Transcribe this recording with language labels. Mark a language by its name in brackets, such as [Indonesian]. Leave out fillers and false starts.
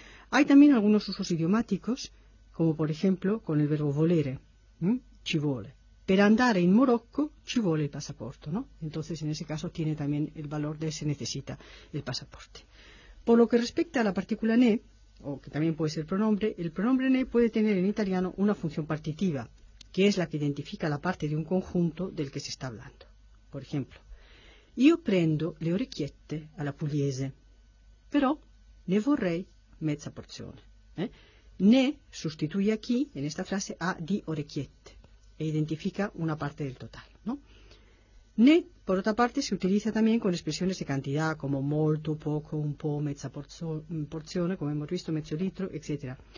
[Spanish] Hay también algunos usos idiomáticos, como por ejemplo con el verbo volere, ci vuole. [Italian] Per andare in Morocco ci vuole il passaporto, ¿no? [Spanish] Entonces, en ese caso, tiene también el valor de se necesita el pasaporte. Por lo que respecta a la partícula ne, o que también puede ser pronombre, el pronombre ne puede tener en italiano una función partitiva, que es la que identifica la parte de un conjunto del que se está hablando. Por ejemplo, [Italian] io prendo le orecchiette alla pugliese, però ne vorrei mezza porzione. [Spanish] Ne sustituye aquí, en esta frase, a di orecchiette, e identifica una parte del total, ¿no? Ne, por otra parte, se utiliza también con expresiones de cantidad, como molto, poco, un po', mezza porzione, como hemos visto, mezzo litro, etc.